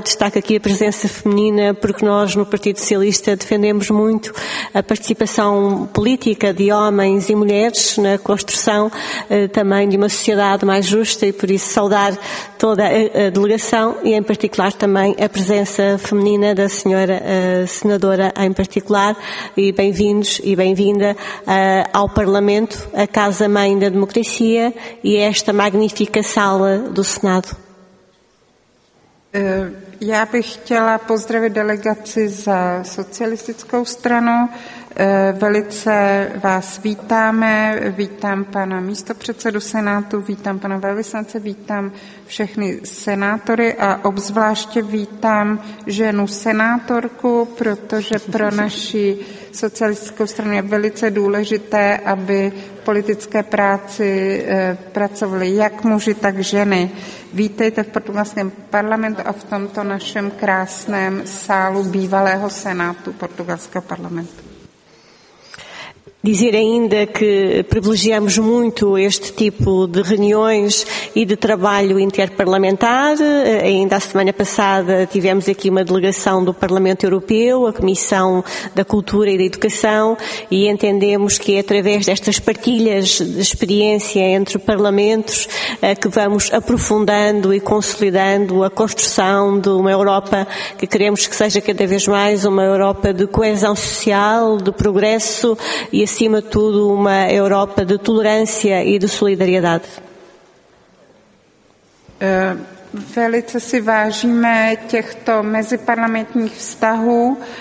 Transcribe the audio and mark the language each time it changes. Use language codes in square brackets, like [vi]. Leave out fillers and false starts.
[pt] Destaco aqui a presença feminina porque nós no Partido Socialista defendemos muito a participação política de homens e mulheres na construção também de uma sociedade mais justa e por isso saudar toda a delegação e em particular também a presença feminina da senhora senadora em particular e bem-vindos e bem-vinda ao Parlamento, a Casa-Mãe da Democracia e a esta magnífica sala do Senado. [cs] Já bych chtěla pozdravit delegaci za socialistickou stranu. Velice vás vítáme, vítám pana místopředsedu Senátu, vítám pana velvyslance, vítám všechny senátory a obzvláště vítám ženu senátorku, protože pro naši socialistickou stranu je velice důležité, aby v politické práci pracovali jak muži, tak ženy. Vítejte v portugalském parlamentu a v tomto našem krásném sálu bývalého senátu portugalského parlamentu. [pt] Dizer ainda que privilegiamos muito este tipo de reuniões e de trabalho interparlamentar. Ainda a semana passada tivemos aqui uma delegação do Parlamento Europeu, a Comissão da Cultura e da Educação, e entendemos que é através destas partilhas de experiência entre parlamentos que vamos aprofundando e consolidando a construção de uma Europa que queremos que seja cada vez mais uma Europa de coesão social, de progresso e acima de tudo, uma Europa de tolerância e de solidariedade. [cs] Velice si vážíme těchto meziparlamentních vztahů.